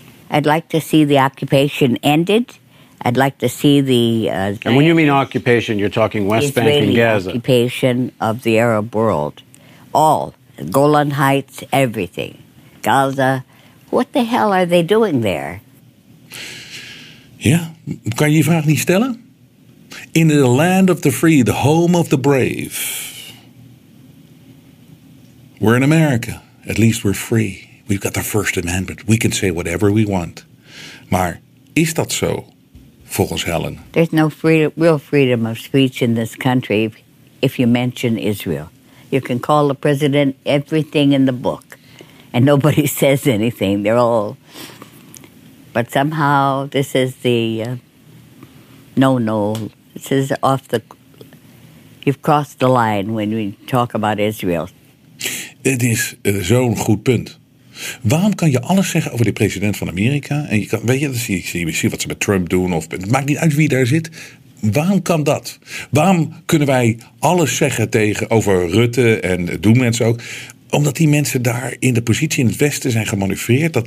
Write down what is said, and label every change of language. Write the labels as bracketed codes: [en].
[en] I'd like to see the occupation ended. I'd like to see the And when you mean occupation, you're talking West Israeli Bank and Gaza. Occupation of the Arab world. All. Golan Heights, everything. Gaza. What the hell are they doing there? [nl] Ja, kan je die vraag niet stellen? [en] In the land of the free, the home of the brave. We're in America. At least we're free. We've got the First Amendment. We can say whatever we want. [nl] Maar is dat zo? Volgens Helen. [en] There's no real freedom of speech in this country if you mention Israel. You can call the president everything in the book. and nobody says anything. They're all, but somehow this is the no-no. This is off the, you've crossed the line when we talk about Israel. [nl] Het is zo'n goed punt. Waarom kan je alles zeggen over de president van Amerika? En je kan, weet je, zie wat ze met Trump doen. Of, het maakt niet uit wie daar zit. Waarom kan dat? Waarom kunnen wij alles zeggen over Rutte en doen mensen ook? Omdat die mensen daar in de positie in het Westen zijn gemanoeuvreerd.